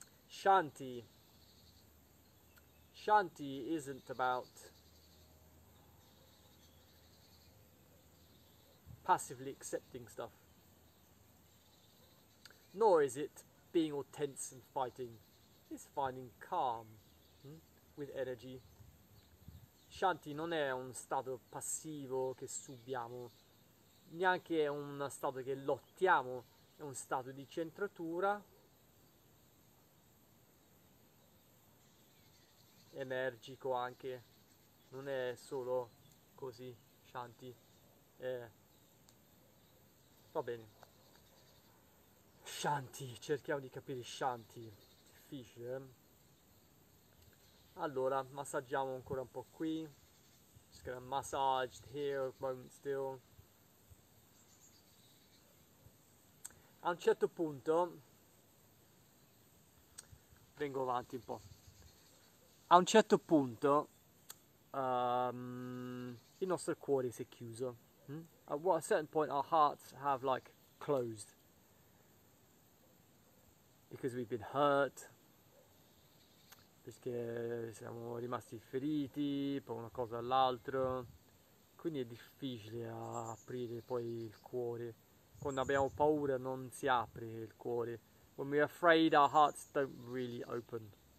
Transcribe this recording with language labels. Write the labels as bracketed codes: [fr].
[en] Shanti. Shanti isn't about passively accepting stuff. Nor is it being all tense and fighting. It's finding calm, with energy. [it] Shanti non è uno stato passivo che subiamo, neanche è uno stato che lottiamo, è un stato di centratura. Energico anche, non è solo così, Shanti. Va bene. Shanti, cerchiamo di capire Shanti. Difficile, eh? Allora, massaggiamo ancora un po' qui. [en] Just gonna massage here a moment still. [it] A un certo punto, vengo avanti un po'. A un certo punto, il nostro cuore si è chiuso. [en] At a certain point, our hearts have like closed because we've been hurt. [it] Perché siamo rimasti feriti, poi una cosa all'altro. Quindi è difficile aprire poi il cuore. Quando abbiamo paura non si apre il cuore. [en] When we're afraid our hearts don't really open.